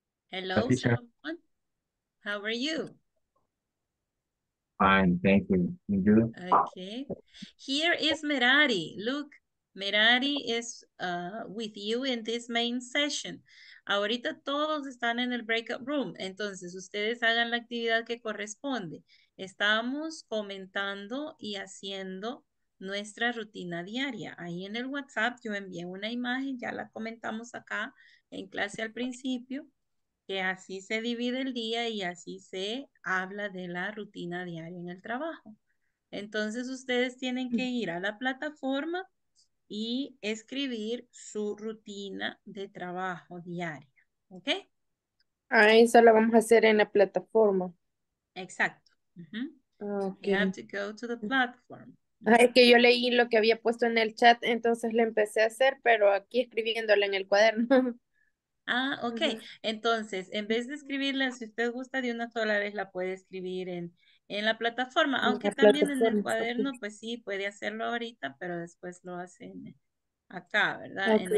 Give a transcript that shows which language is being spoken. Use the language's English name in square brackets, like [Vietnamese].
[English] Hello, Salomon. How are you? Fine, thank you. You do? Okay. Here is Merari. Look, Merari is with you in this main session. [Spanish] Ahorita todos están en el breakout room, entonces ustedes hagan la actividad que corresponde. Estamos comentando y haciendo nuestra rutina diaria. Ahí en el WhatsApp yo envié una imagen, ya la comentamos acá en clase al principio, que así se divide el día y así se habla de la rutina diaria en el trabajo. Entonces ustedes tienen que ir a la plataforma y escribir su rutina de trabajo diaria, ¿ok? Ah, eso lo vamos a hacer en la plataforma. Exacto. [English] Okay. So you have to go to the platform. [Spanish] Ay, es que yo leí lo que había puesto en el chat, entonces lo empecé a hacer, pero aquí escribiéndola en el cuaderno. Ah, ok. Entonces, en vez de escribirla, si usted gusta de una sola vez, la puede escribir en la plataforma, aunque la también plataforma, en el cuaderno, okay. Pues sí, puede hacerlo ahorita, pero después lo hace acá, ¿verdad? Okay.